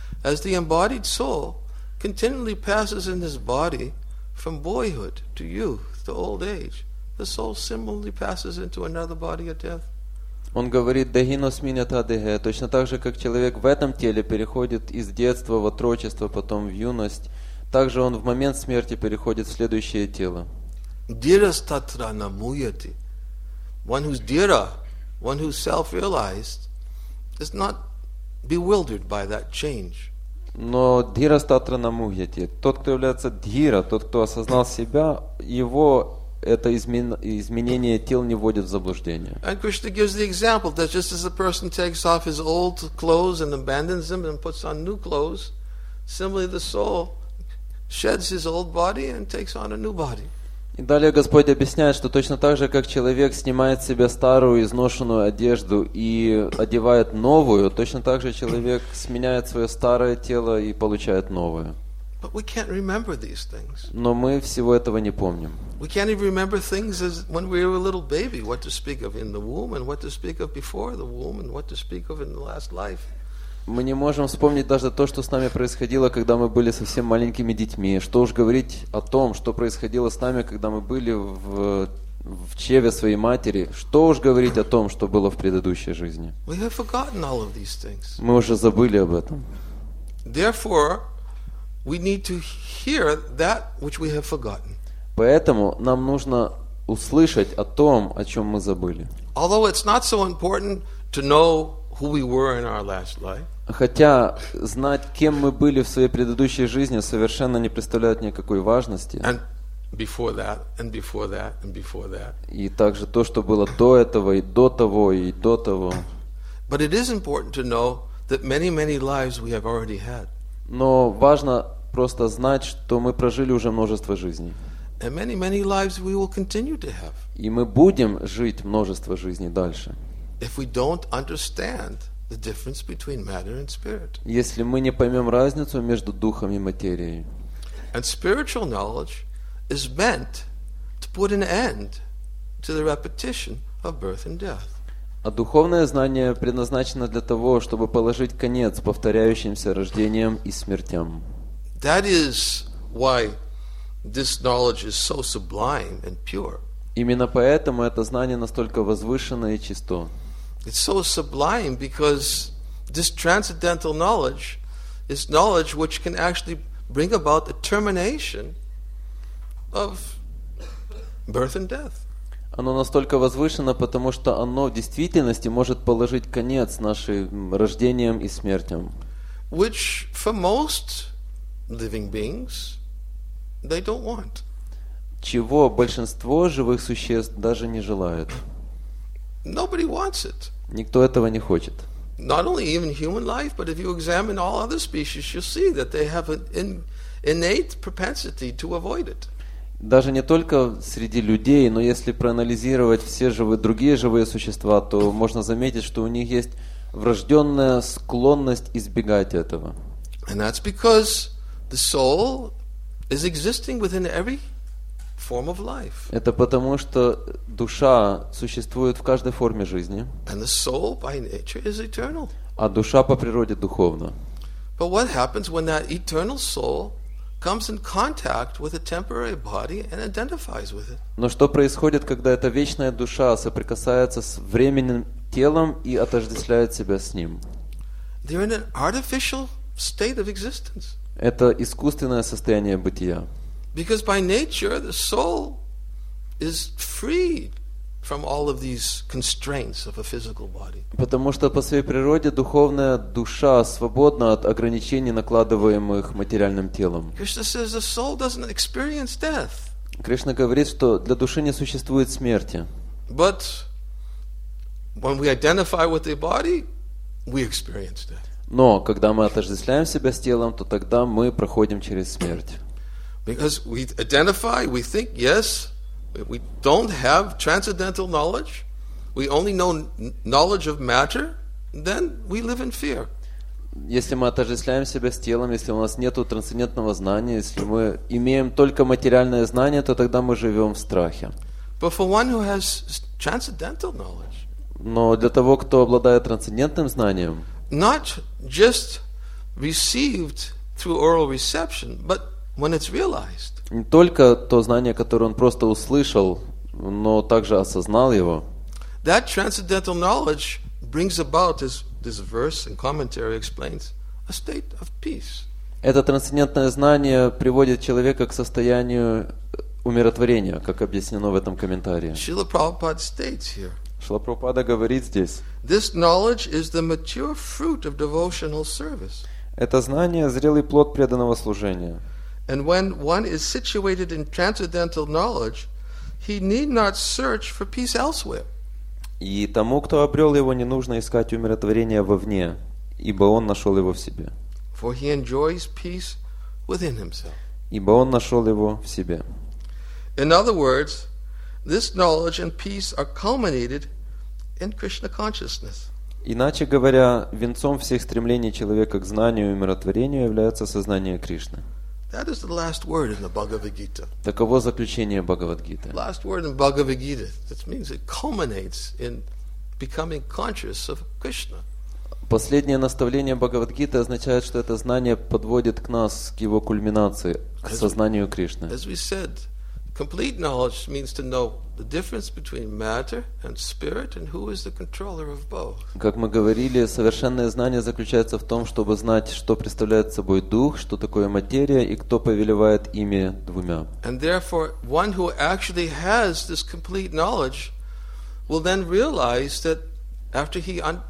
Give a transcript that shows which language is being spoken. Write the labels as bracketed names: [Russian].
[English] As the embodied soul continually passes in this body from boyhood to youth to old age, the soul similarly passes into another body at death. [Russian] Он говорит: [Sanskrit] «Дагино сминята дэгэ». [Russian] Точно так же, как человек в этом теле переходит из детства в отрочество, потом в юность, так же он в момент смерти переходит в следующее тело. [Sanskrit] Дирас татра намуяти. [English] One who's dira, one who's self-realized, is not bewildered by that change. [Sanskrit] Но дирас татра намуяти. [Russian] Тот, кто является дира, тот, кто осознал себя, его это изменение тел не вводит в заблуждение. [English] And Krishna gives the example that just as a person takes off his old clothes and abandons them and puts on new clothes, similarly the soul sheds his old body and takes on a new body. [Russian] И далее Господь объясняет, что точно так же, как человек снимает с себя старую изношенную одежду и одевает новую, точно так же человек сменяет свое старое тело и получает новое. [English] But we can't remember these things. [Russian] Но мы всего этого не помним. [English] We can't even remember things as when we were a little baby, what to speak of in the womb and what to speak of before the womb and what to speak of in the last life. [Russian] Мы не можем вспомнить даже то, что с нами происходило, когда мы были совсем маленькими детьми. Что уж говорить о том, что происходило с нами, когда мы были в чреве своей матери. Что уж говорить о том, что было в предыдущей жизни. [English] We have forgotten all of these things. [Russian] Мы уже забыли об этом. [English] Therefore, we need to hear that which we have forgotten. [Russian] Поэтому нам нужно услышать о том, о чем мы забыли. [English] Although it's not so important to know who we were in our last life. [Russian] Хотя знать, кем мы были в своей предыдущей жизни, совершенно не представляет никакой важности. [English] And before that, and before that, and before that. [Russian] И также то, что было до этого, и до того, и до того. [English] But it is important to know that many, many lives we have already had. [Russian] Но важно просто знать, что мы прожили уже множество жизней. [English] And many, many lives we will continue to have. [Russian] И мы будем жить множество жизней дальше. [English] If we don't understand the difference between matter and spirit. [Russian] Если мы не поймем разницу между духом и материей. [English] And spiritual knowledge is meant to put an end to the repetition of birth and death. [Russian] А духовное знание предназначено для того, чтобы положить конец повторяющимся рождениям и смертям. [English] That is why this knowledge is so sublime and pure. [Russian] Именно поэтому это знание настолько возвышенно и чисто. [English] It's so sublime because this transcendental knowledge is knowledge which can actually bring about the termination of birth and death. [Russian] Оно настолько возвышено, потому что оно в действительности может положить конец нашим рождениям и смертям. [English] Which for most living beings they don't want. [Russian] Чего большинство живых существ даже не желают. [English] Nobody wants it. [Russian] Никто этого не хочет. [English] Not only even human life, but if you examine all other species, you'll see that they have an innate propensity to avoid it. [Russian] Даже не только среди людей, но если проанализировать все живые, другие живые существа, то можно заметить, что у них есть врожденная склонность избегать этого. [English] And that's because the soul is existing within every form of life. [Russian] Это потому, что душа существует в каждой форме жизни. [English] And the soul by nature is eternal. [Russian] А душа по природе духовна. [English] But what happens when that eternal soul comes in contact with a temporary body and identifies with it? [Russian] Но что происходит, когда эта вечная душа соприкасается с временным телом и отождествляет себя с ним? [English] They're in an artificial state of existence. [Russian] Это искусственное состояние бытия. [English] Because by nature the soul is free from all of these constraints of a physical body. [Russian] Потому что по своей природе духовная душа свободна от ограничений, накладываемых материальным телом. [English] Krishna says the soul doesn't experience death. [Russian] Кришна говорит, что для души не существует смерти. [English] But when we identify with the body, we experience death. [Russian] Но когда мы отождествляем себя с телом, то тогда мы проходим через смерть. [English] Because we identify, we think, yes, we don't have transcendental knowledge, we only know knowledge of matter, then we live in fear. [Russian] Если мы отождествляем себя с телом, если у нас нету трансцендентного знания, если мы имеем только материальное знание, то тогда мы живем в страхе. [English] But for one who has transcendental knowledge, [Russian] но для того, кто обладает трансцендентным знанием, [English] not just received through oral reception, but when it's realized. [Russian] Не только то знание, которое он просто услышал, но также осознал его. [English] That transcendental knowledge brings about, as this verse and commentary explains, a state of peace. [Russian] Это трансцендентное знание приводит человека к состоянию умиротворения, как объяснено в этом комментарии. [English] Шрила Прабхупада states here. [Russian] Шрила Прабхупада говорит здесь. [English] This knowledge is the mature fruit of devotional service. [Russian] Это знание – зрелый плод преданного служения. [English] And when one is situated in transcendental knowledge, he need not search for peace elsewhere. [Russian] И тому, кто обрел его, не нужно искать умиротворение вовне, ибо он нашел его в себе. [English] For he enjoys peace within himself. [Russian] Ибо он нашел его в себе. [English] In other words, this knowledge and peace are culminated in Krishna consciousness. [Russian] Иначе говоря, венцом всех стремлений человека к знанию и умиротворению является сознание Кришны. [English] That is the last word in the Bhagavad Gita. [Russian] Таково заключение Бхагавад-гиты. [English] Last word in Bhagavad Gita. That means it culminates in becoming conscious of Krishna. [Russian] Последнее наставление Бхагавад-гиты означает, что это знание подводит к нас к его кульминации, к сознанию Кришны. [English] As we said, complete knowledge means to know the difference between matter and spirit and who is the controller of both. [Russian] Как мы говорили, совершенное знание заключается в том, чтобы знать, что представляет собой дух, что такое материя и кто повелевает ими двумя. [English] And therefore, one who actually has this complete knowledge will then realize that after he